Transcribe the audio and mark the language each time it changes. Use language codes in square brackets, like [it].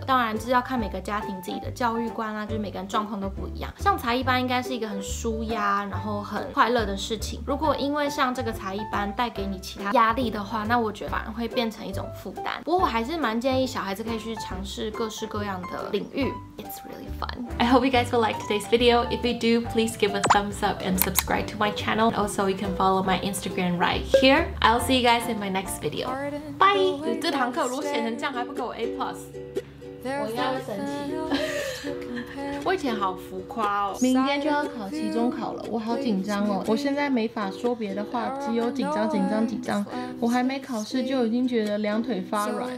[zh] 当然这要看每个家庭自己的教育观啊，就是每个人状况都不一样。上才艺班应该是一个很舒压然后很快乐的事情，如果因为上这个才艺班带给你其他压力的话，那我觉得反而会变成一种负担。不过我还是蛮建议小孩子可以去尝试各式各样的领域。 [en] It's really fun. I hope you guys will like today's video. If you do, please give a thumbs up and subscribe to my channel. AlsoYou can follow my Instagram right here. I'll see you guys in my next video. Bye! [zh] 这堂课如果写成这样还不给我 A+， 我应该会生气。我以前好浮夸哦，明天就要考期中考了，我好紧张哦。我现在没法说别的话，只有紧张紧张紧张。我还没考试就已经觉得两腿发软。